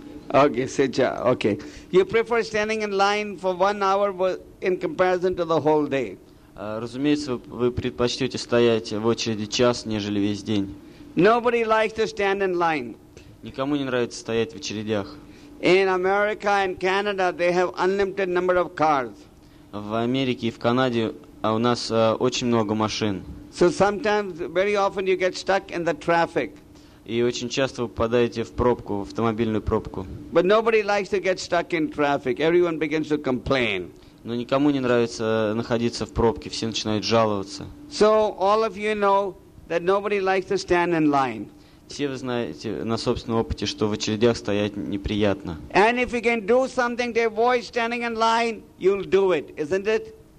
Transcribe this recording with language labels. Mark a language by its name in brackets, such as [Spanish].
[English] Okay, [Russian] сейчас, [English] okay. You prefer standing in line for 1 hour in comparison to the whole day? [Russian] Разумеется, вы предпочтете стоять в очереди час, нежели весь день. [English] Nobody likes to stand in line. [Russian] Никому не нравится стоять в очередях. [English] In America and Canada, they have unlimited number of cars. [Russian] В Америке и в Канаде у нас очень много машин. [English] So sometimes, very often, you get stuck in the traffic. [Russian] И очень часто вы попадаете в пробку, в автомобильную пробку. [English] But nobody likes to get stuck in traffic. Everyone begins to complain. [Russian] Но никому не нравится находиться в пробке. Все начинают жаловаться. [English] So all of you know that nobody likes to stand in line. [Russian] Все вы знаете на собственном опыте, что в очередях стоять неприятно. [English] And if you can do something to avoid standing in line, you'll do it, isn't it?